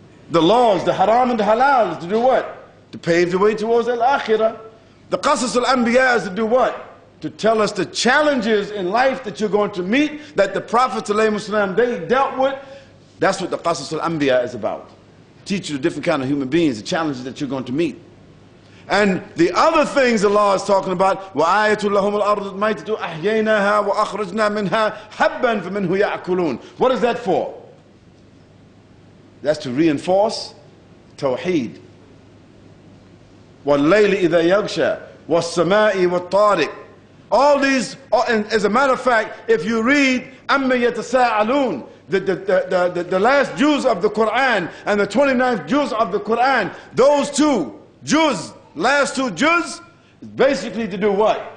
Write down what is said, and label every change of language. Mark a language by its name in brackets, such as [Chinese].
[English] The laws, the haram and the halal, to do what? To pave the way towards Al Akhirah. The Qasas al Anbiya is to do what? To tell us the challenges in life that you're going to meet that the Prophet they dealt with. That's what the Qasas al Anbiya is about. Teach you the different kind of human beings, the challenges that you're going to meet. And the other things Allah is talking about, [Arabic] وَآيَةُ لَهُمُ الْأَرْضُ الْمَيْتَةُ أَحْيَيْنَاهَا وَأَخْرَجْنَا مِنْهَا حَبًّا فَمِنْهُ يَأْكُلُونَ. [English] What is that for? That's to reinforce Tawheed. [Arabic] وَاللَّيْلِ إِذَا يَغْشَى وَالسَّمَاءِ وَالطَّارِقِ. [English] All these, and as a matter of fact, if you read [Arabic] أَمَّا يَتَسَاءَلُونَ, [English] the last juz of the Quran and the 29th juz of the Quran, those two juz, last two juz, basically to do what?